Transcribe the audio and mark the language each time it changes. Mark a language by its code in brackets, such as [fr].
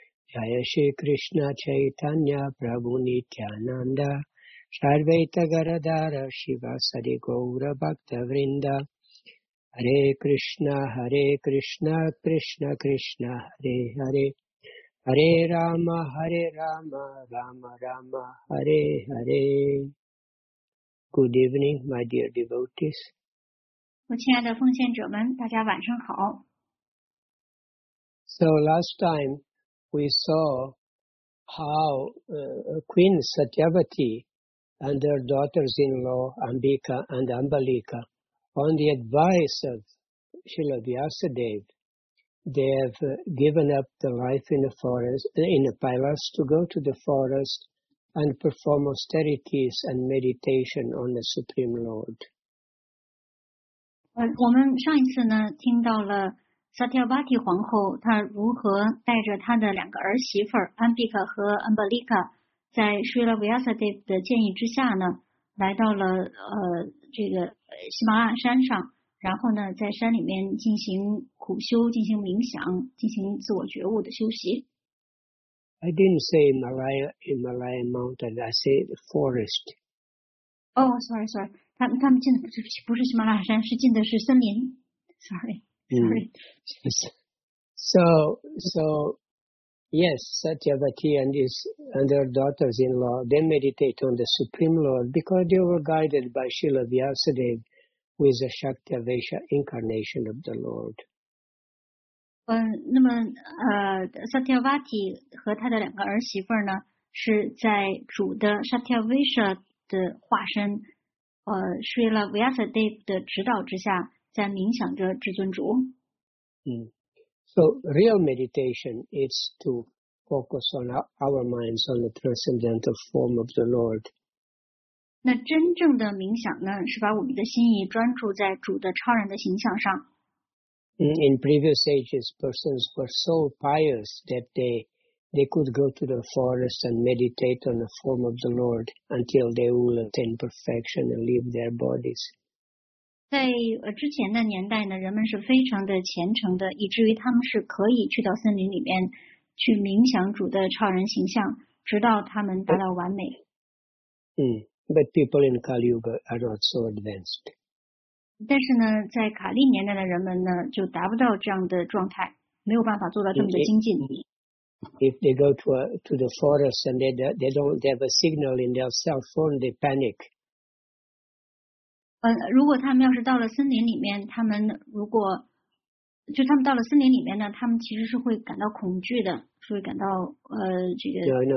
[sa] Jaya Shri Krishna Chaitanya Prabhu Nityananda Sarvaita Garadara Shivasadi Gaura Bhakta Vrinda Hare Krishna Hare Krishna Krishna Krishna Hare Hare Hare Rama Hare Rama Rama Rama Hare Hare。 [en] Good evening, my dear devotees. [zh] 我亲爱的奉献者们，大家晚上好。 [en] So last timeWe saw how Queen Satyavati and her daughters-in-law Ambika and Ambalika, on the advice of Srila Vyasadeva, they have given up the life in the forest, in the palace, to go to the forest and perform austerities and meditation on the Supreme Lord. [zh] 我们上一次呢，听到了萨提亚巴提皇后她如何带着她的两个儿媳妇儿安比卡和安巴利卡，在舒拉维亚萨德的建议之下呢，来到了这个喜马拉雅山上，然后呢在山里面进行苦修，进行冥想，进行自我觉悟的修习。 [en] I didn't say Himalaya mountain, I said forest. Oh, sorry, sorry. [zh] 他们进的不是喜马拉雅山，是进的是森林。 [en] Sorry. So, yes, Satyavati and her daughters-in-law, they meditate on the Supreme Lord because they were guided by Srila Vyasadeva, who is a Shaktyavesha incarnation of the Lord. [zh] 那么Satyavati 和他的两个儿媳妇呢，是在主的 Shaktyavesha 的化身，Srila Vyasadeva 的指导之下，在冥想着至尊主。 [en] So real meditation is to focus on our minds on the transcendental form of the Lord. [zh] 那真正的冥想呢，是把我们的心意专注在主的超然的形象上。 [en] In previous ages, persons were so pious that they could go to the forest and meditate on the form of the Lord until they will attain perfection and leave their bodies. [zh] 在之前的年代呢，人们是非常的虔诚的，以至于他们是可以去到森林里面去冥想主的超人形象，直到他们达到完美。 [en] But people in Kali Yuga are not so advanced. [zh] 但是呢，在卡利年代的人们呢，就达不到这样的状态，没有办法做到这么的精进。 [en] If they go to the forest and they don't have a signal in their cell phone, they panic. [zh] 如果他们要是到了森林里面，他们如果就他们到了森林里面呢，他们其实是会感到恐惧的，是会感到这个惊恐的。